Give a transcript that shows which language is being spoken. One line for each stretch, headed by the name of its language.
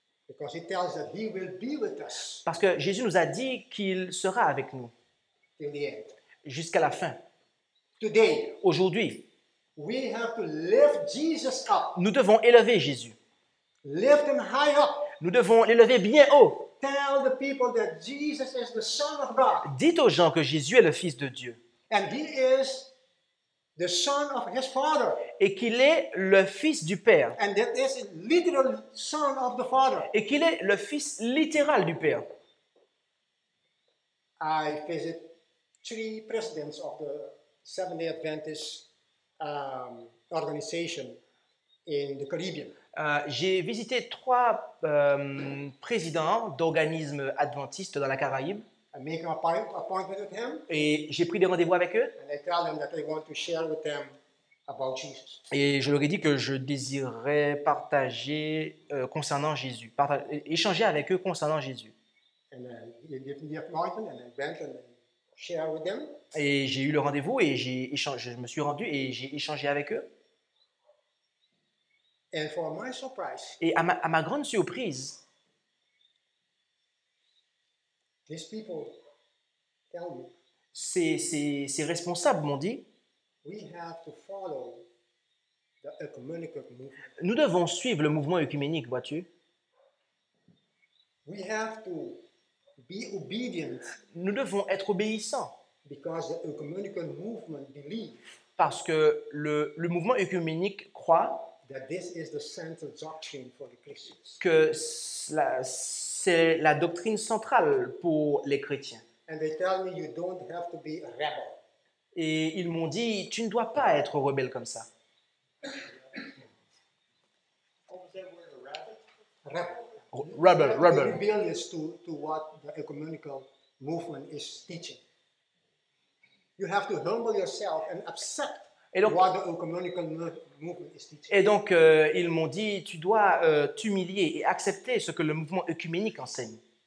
English: Because he tells that he will be with us.
French: Parce que Jésus nous a dit qu'il sera avec nous.
English: Till the end.
French: Jusqu'à la fin.
English: Today,
French: aujourd'hui.
English: We have to lift Jesus up.
French: Nous devons élever Jésus.
English: Lift him high up.
French: Nous devons l'élever bien haut.
English: Tell the people that Jesus is the Son of God.
French: Dites aux gens que Jésus est le Fils de Dieu.
English: And he is the son of his father.
French: Et qu'il est le fils du Père.
English: And that is literal son of the father.
French: Et qu'il est le fils littéral du Père.
English: I visit 3 presidents of the Seventh-day Adventist organization in the Caribbean.
French: J'ai visité 3 présidents d'organismes adventistes dans la Caraïbe.
English: I make an appointment with him.
French: Et j'ai pris des rendez-vous avec eux.
English: And I tell them that I want to share with them about Jesus.
French: Et je leur ai dit que je désirais partager concernant Jésus, échanger avec eux concernant Jésus.
English: And they give me the appointment and I went and share with them.
French: Et j'ai eu le rendez-vous et je me suis rendu et j'ai échangé avec eux.
English: And for my surprise.
French: Et à ma grande surprise.
English: These people tell me,
French: ces responsables m'ont dit,
English: we have to follow the ecumenical movement.
French: Nous devons suivre le mouvement œcuménique, vois-tu?
English: We have to be obedient.
French: Nous devons être obéissants.
English: Because the ecumenical movement believes.
French: Parce que le mouvement œcuménique croit.
English: That this is the central doctrine for the Christians.
French: Que cela, c'est la doctrine centrale pour les chrétiens.
English: And they tell me you don't have to be a rebel.
French: Et ils m'ont dit, tu ne dois pas être rebelle comme ça.
English: Rebel. Rebellious to what the ecumenical movement is teaching. You have to humble yourself and accept.
French: Et donc, ils m'ont dit, tu dois t'humilier et accepter ce que le mouvement œcuménique enseigne.